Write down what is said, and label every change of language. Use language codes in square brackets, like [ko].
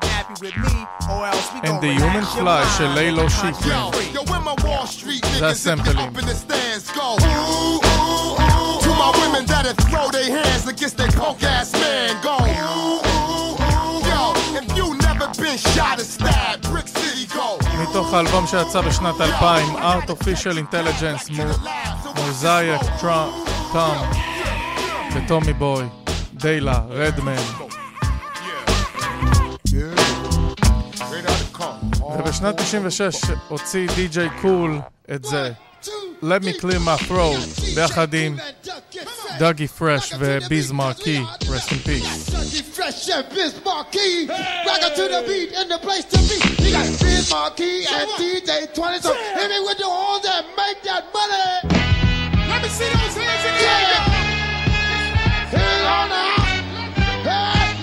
[en] And the human fly, Shelly Lo Shifu. Yo, when my Wall Street niggas step up in the stands, go. To my women that have throw their hands against their punk ass man, go. Yo, if you never been shot or stabbed, Brick City, go. [he] מתוך האלבום שיצא בשנת 2000, Artificial Intelligence, מוזייק, טראם, וטומי בוי, דיילה, רדמן. ובשנת 96 הוציא די-ג'יי קול את זה, Let Me Clear My Throat, ביחד עם דאגי פרש וביז מרקי, [en] Rest in Peace. Fresh and Biz Marquee, hey! Rocker to the beat and the place to be. We got Biz Marquee and DJ 20. So hit me with the horns that make that money. Let me see those hands in the air. Hell on the house.